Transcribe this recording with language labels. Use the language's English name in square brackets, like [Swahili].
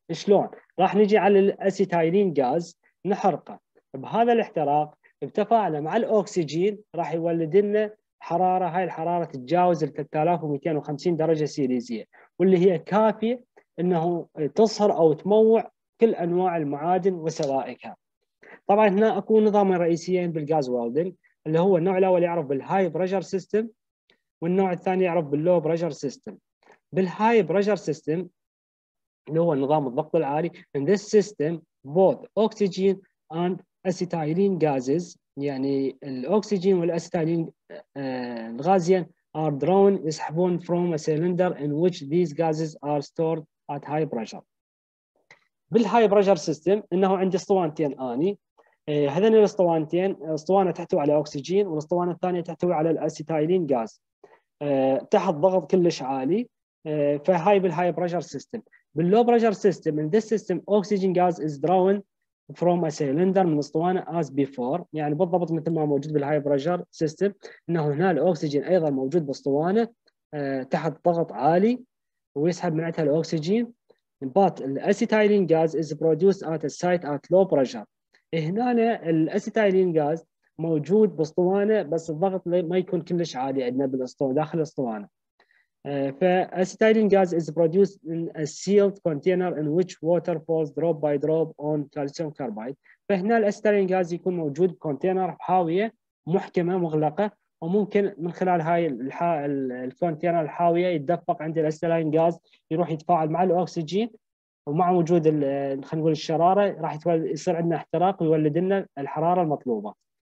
[Arabic] شلون؟ راح نجي على الاسيتايلين غاز نحرقه بهذا الاحتراق بتفاعله مع الاكسجين راح يولد لنا حراره، هاي الحراره تتجاوز ال 3250 درجه سيليزيه واللي هي كافيه انه تصهر او تموع كل انواع المعادن وسوائلها. طبعا هنا اكو نظامين رئيسيين بالغاز ويلدنج اللي هو النوع الاول يعرف بالهاي بريشر سيستم والنوع الثاني يعرف باللو بريشر سيستم. بالهاي بريشر سيستم اللي هو نظام الضغط العالي، [English] in this system both oxygen and acetylene gases [Arabic] يعني الاكسجين والاسيتيلين الغازيين [English] are drawn [Arabic] يسحبون [English] from a cylinder in which these gases are stored at high pressure. [Arabic] بالهاي بريشر سيستم انه عندي اسطوانتين اني هذين الاسطوانتين اسطوانه تحتوي على اكسجين والاسطوانه الثانيه تحتوي على الاسيتيلين غاز تحت ضغط كلش عالي فهاي بالهاي بريشر سيستم. باللو بريشر سيستم [English] in this system oxygen gas is drawn from a cylinder [Arabic] من اسطوانه [English] as before [Arabic] يعني بالضبط مثل ما موجود بالهاي بريشر سيستم انه هنا الاكسجين ايضا موجود باسطوانه تحت ضغط عالي ويسحب من عندها الاكسجين. [English] But الاسيتايلين غاز is produced at a site at low pressure. [Arabic] هنا الاسيتايلين غاز موجود باسطوانه بس الضغط ما يكون كلش عالي عندنا بالاسطوانه داخل الاسطوانه. [English] فالاسيتايلين غاز is produced in a sealed container in which water falls drop by drop on calcium carbide. [Arabic] فهنا الاسيتايلين غاز يكون موجود بكونتينر بحاويه محكمه مغلقه وممكن من خلال هاي الكونتينر الحاويه يتدفق عند الاسيتايلين غاز يروح يتفاعل مع الاكسجين ومع وجود خلينا نقول الشراره راح يصير عندنا احتراق ويولد لنا الحراره المطلوبه.